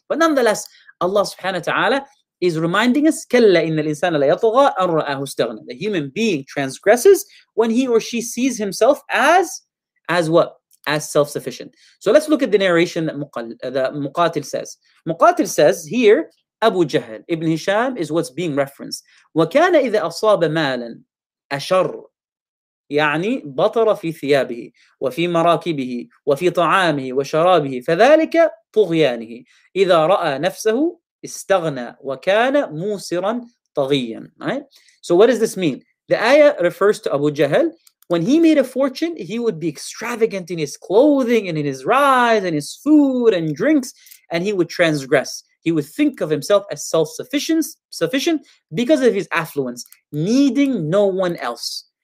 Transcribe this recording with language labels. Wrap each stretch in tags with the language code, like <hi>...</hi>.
<en>But nonetheless, Allah subhanahu wa ta'ala is reminding us,</en> <ar>كَلَّا إِنَّ الْإِنسَانَ لَيَطْغَى أَنْ رَآهُ اسْتَغْنَى.</ar> <en>The human being transgresses when he or she sees himself as what? As self-sufficient. So let's look at the narration that Muqatil says. Muqatil says here, Abu Jahl, Ibn Hisham is what's being referenced.</en> <ar>وَكَانَ إِذَا أَصَابَ مَالًا أَشَرُّ يعني بطر في ثيابه وفي مراكبه وفي طعامه وشرابه فذلك طغيانه إذا رأى نفسه استغنى وكان موسرا طغيا.</ar> <en>Right? So what does this mean? The ayah refers to Abu Jahl. When he made a fortune, he would be extravagant in his clothing and in his rides and his food and drinks, and he would transgress. He would think of himself as self-sufficient because of his affluence, needing no one else.</en>